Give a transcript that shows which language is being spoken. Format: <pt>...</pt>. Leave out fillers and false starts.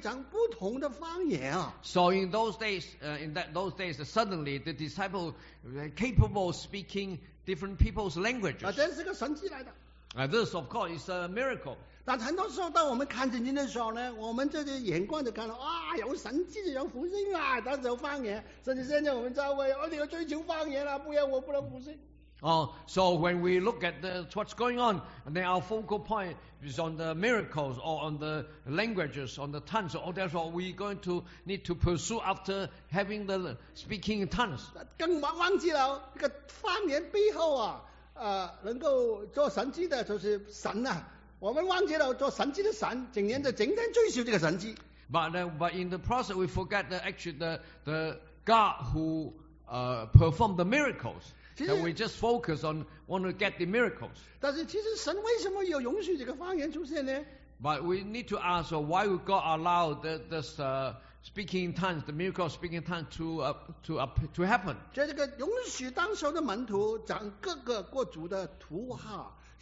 <zh>所以当时门徒啊，忽然都可以讲不同的方言啊。</zh> <en>So in those days, suddenly the disciple capable of speaking different people's languages.</en> <zh>啊，这是个神迹来的。</zh> <en>This of course is a miracle.</en> <zh>但很多时候，当我们看圣经的时候呢，我们这些眼光就看到啊，有神迹，有福音啊，但是有方言，甚至现在我们教会，我们要追求方言了，不然我不能福音。</zh> <en>So when we look at what's going on, and then our focal point is on the miracles or on the languages, on the tongues. Or that's what we're going to need to pursue after having the speaking in tongues.</en> <zh>更忘记了这个方言背后能够做神迹的就是神啊。我们忘记了做神迹的神，整天就整天追求这个神迹。</zh> <en>But in the process, we forget that actually the God who performed the miracles.</en> <zh>其实,</zh> <en>that we just focus on want to get the miracles.</en> <zh>但是其实神为什么有容许这个方言出现呢？</zh> <en>But we need to ask why would God allow speaking in tongues, the miracle of speaking in tongues to happen?</en> <zh>这个容许当时的门徒讲各个国族的土话。</zh>